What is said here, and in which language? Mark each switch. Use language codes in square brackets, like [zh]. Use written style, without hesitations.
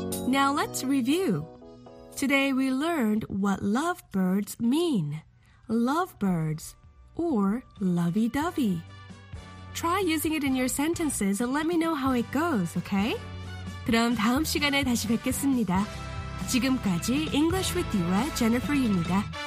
[en] Now let's review. Today we learned what lovebirds mean. Lovebirds, or lovey-dovey. Try using it in your sentences and let me know how it goes, okay? [ko] 그럼 다음 시간에 다시 뵙겠습니다. 지금까지 English with You와 Jennifer입니다.